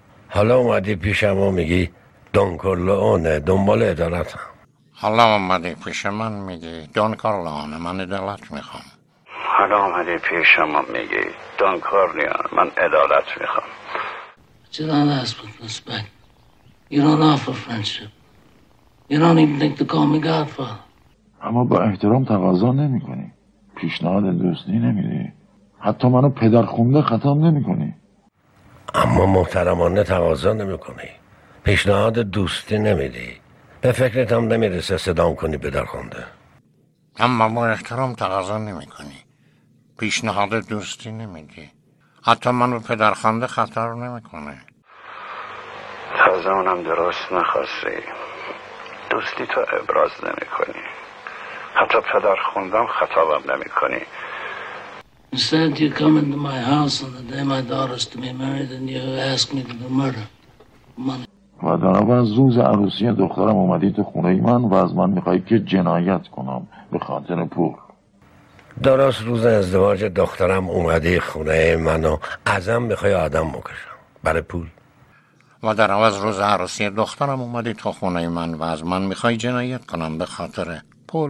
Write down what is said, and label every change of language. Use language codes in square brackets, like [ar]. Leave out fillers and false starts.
[fa] حالا اومدی پیش ما میگی دون کارلون دنبال عدالت هم. حالا اومدی پیش من میگی دون کارلون من عدالت میخوام. حالا اومدی پیش ما میگی دون کورلیون من عدالت میخوام. چطور هست بود نسبت؟ [en] You don't offer friendship. You don't even think to call me godfather. [fa] اما با احترام تقاضا نمی کنی، پیشنهاد دوستی نمیدی، حتی منو پدر خونده خطاب نمی کنی. اما محترمانه تقاضا نمی کنی، پیشنهاد دوستی نمیدی، به فکرت هم نمیرسه صدام کنی پدر خونده. اما با احترام تقاضا نمی کنی، پیشنهاد دوستی نمیگی، حتی من به پدرخوانده خطر نمیکنه. تازه اونم درست نخواستی. دوستی تو ابراز نمیکنی، حتی پدرخوندم خطابم نمیکنی. [en] Instead you come into my house on the day my daughter's to be married and you ask me to do murder. [fa] و در عوض روز عروسی دخترم اومدی تو خونه من و از من میخوایی که جنایت کنم به خاطر پول. درست روز ازدواج دخترم اومدی خونه منو ازم میخوای آدم بکشم برای پول. و در عوض روز عروسی دخترم اومدی تو خونه من و از من میخوای جنایت کنم به خاطر پول.